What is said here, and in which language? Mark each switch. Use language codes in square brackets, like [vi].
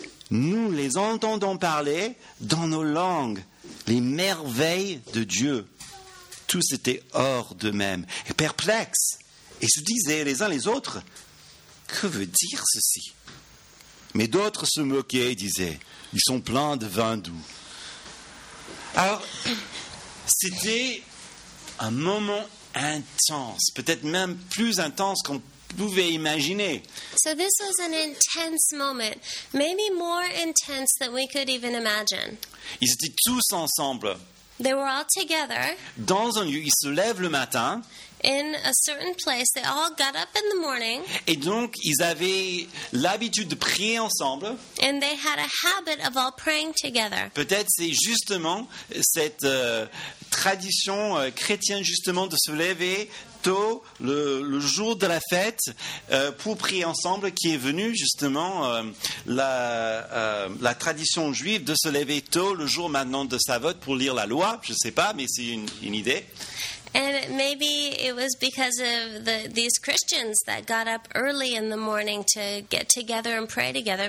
[fr] Nous les entendons parler dans nos langues, les merveilles de Dieu. » Tous étaient hors d'eux-mêmes, perplexes, et se disaient les uns les autres, « Que veut dire ceci ?» Mais d'autres se moquaient et disaient, « Ils sont pleins de vin doux. » Alors, c'était un moment intense, peut-être même plus intense qu'on pouvait imaginer. [en] So this was an intense moment, maybe more intense than we could even imagine. [fr] Ils étaient tous ensemble. [en] They were all together. [fr] Dans un lieu, ils se lèvent le matin. [en] In a certain place, they all got up in the morning. [fr] Et donc, ils avaient l'habitude de prier ensemble. [en] And they had a habit of all praying together. [fr] Peut-être c'est justement cette tradition chrétienne justement de se lever tôt le jour de la fête pour prier ensemble qui est venue justement la tradition juive de se lever tôt le jour maintenant de Savot pour lire la loi, je sais pas, mais c'est une idée. [en] And maybe it was because of these Christians that got up early in the morning to get together and pray together.